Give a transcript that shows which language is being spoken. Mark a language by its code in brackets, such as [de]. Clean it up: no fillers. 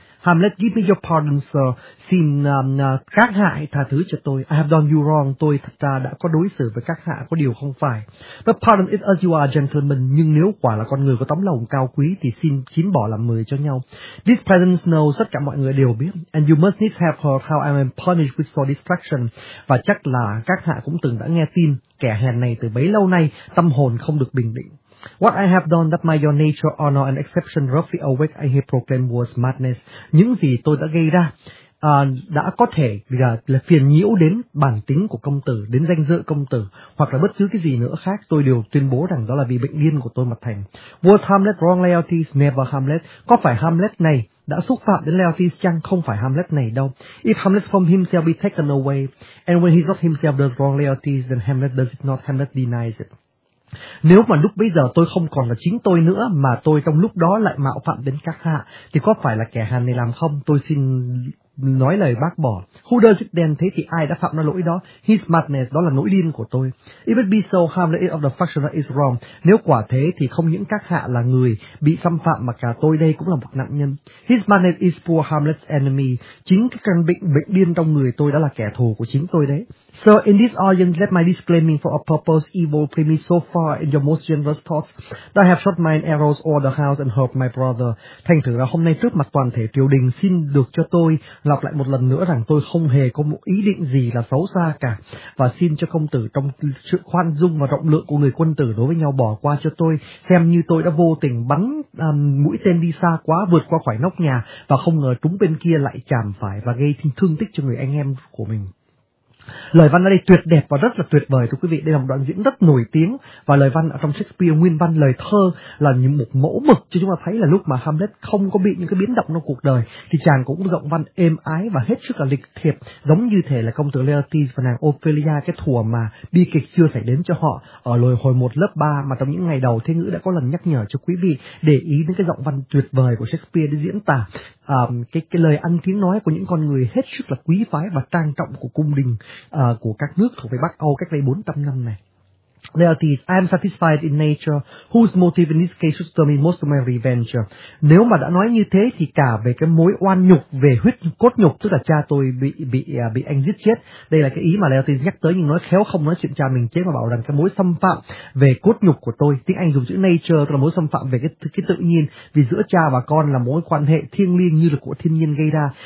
[en] "Hamlet, give me your pardon, sir. [vi] Xin các hạ hãy tha thứ cho tôi. [en] I have done you wrong. [vi] Tôi thật ra đã có đối xử với các hạ có điều không phải. [en] But pardon it as you are, gentlemen. [vi] Nhưng nếu quả là con người có tấm lòng cao quý thì xin chín bỏ làm mười cho nhau. [en] This presence knows, [vi] tất cả mọi người đều biết. [en] And you must needs have heard how I am punished with sore distraction." [vi] Và chắc là các hạ cũng từng đã nghe tin kẻ hèn này từ bấy lâu nay tâm hồn không được bình định. [en] "What I have done that my your nature, honor and exception roughly awake I here proclaim was madness." [vi] Những gì tôi đã gây ra đã có thể là phiền nhiễu đến bản tính của công tử, đến danh dự công tử, hoặc là bất cứ cái gì nữa khác, tôi đều tuyên bố rằng đó là vì bệnh điên của tôi mà thành. [en] "Was Hamlet wrong, Laertes? Never Hamlet." [vi] Có phải Hamlet này đã xúc phạm đến Laertes chăng? Không phải Hamlet này đâu. [en] "If Hamlet from himself be taken away, and when he not himself does wrong Laertes, then Hamlet does it not, Hamlet denies it." [vi] Nếu mà lúc bây giờ tôi không còn là chính tôi nữa, mà tôi trong lúc đó lại mạo phạm đến các hạ, thì có phải là kẻ hàn này làm không? Tôi xin nói lời bác bỏ. [en] "Who does it then?" [vi] Thế thì ai đã phạm ra lỗi đó? [en] "His madness," [vi] đó là nỗi điên của tôi. [en] "If it be so, Hamlet of the faction that is wrong." [vi] Nếu quả thế thì không những các hạ là người bị xâm phạm mà cả tôi đây cũng là một nạn nhân. [en] "His madness is poor Hamlet's enemy." [vi] Chính cái căn bệnh điên trong người tôi đã là kẻ thù của chính tôi đấy. [en] "So in this audience let my disclaiming for a purpose evil play me so far in your most generous thoughts that I have shot mine arrows all the house and hurt my brother." [vi] Thành thử là hôm nay trước mặt toàn thể triều đình xin được cho tôi lặp lại một lần nữa rằng tôi không hề có một ý định gì là xấu xa cả, và xin cho công tử trong sự khoan dung và rộng lượng của người quân tử đối với nhau bỏ qua cho tôi, xem như tôi đã vô tình bắn mũi tên đi xa quá, vượt qua khỏi nóc nhà và không ngờ trúng bên kia lại chạm phải và gây thương tích cho người anh em của mình. Lời văn ở đây tuyệt đẹp và rất là tuyệt vời, thưa quý vị. Đây là một đoạn diễn rất nổi tiếng, và lời văn ở trong Shakespeare nguyên văn lời thơ là những một mẫu mực cho chúng ta thấy là lúc mà Hamlet không có bị những cái biến động trong cuộc đời thì chàng cũng giọng văn êm ái và hết sức là lịch thiệp, giống như thể là công tử Laertes và nàng Ophelia, cái thuở mà bi kịch chưa xảy đến cho họ ở hồi 1 lớp 3, mà trong những ngày đầu Thế Ngữ đã có lần nhắc nhở cho quý vị để ý đến cái giọng văn tuyệt vời của Shakespeare để diễn tả cái lời ăn tiếng nói của những con người hết sức là quý phái và trang trọng của cung đình của các nước thuộc về Bắc Âu cách đây 400 năm này. [en] "Laertes, I am satisfied in nature, whose motive in this case should determine most of my revenge." [vi] Nếu mà đã nói như thế thì cả về cái mối oan nhục, về huyết cốt nhục, tức là cha tôi bị anh giết chết. Đây là cái ý mà Laertes nhắc tới, nhưng nói khéo không nói chuyện cha mình chết mà bảo rằng cái mối xâm phạm về cốt nhục của tôi, tiếng Anh dùng chữ nature, tức là mối xâm phạm về cái tự nhiên, vì giữa cha và con là mối quan hệ thiêng liêng như là của thiên nhiên gây ra.